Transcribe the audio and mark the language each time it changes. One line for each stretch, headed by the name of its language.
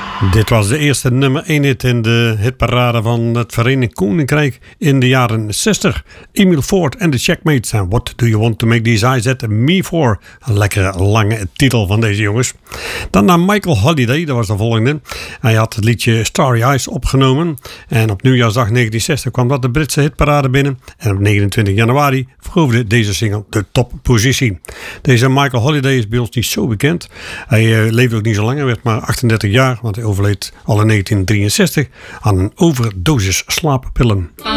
Dutch: dit was de eerste nummer 1 hit in de hitparade van het Verenigd Koninkrijk in de jaren 60. Emil Ford en de Checkmates.
English: And what do you want to make these eyes at me for?
Dutch: Een lekkere lange titel van deze jongens. Dan naar Michael Holiday, dat was de volgende. Hij had het liedje Starry Eyes opgenomen. En op nieuwjaarsdag 1960 kwam dat de Britse hitparade binnen. En op 29 januari veroverde deze single de toppositie. Deze Michael Holiday is bij ons niet zo bekend. Hij leefde ook niet zo lang, hij werd maar 38 jaar, want hij overleed al in 1963 aan een overdosis slaappillen.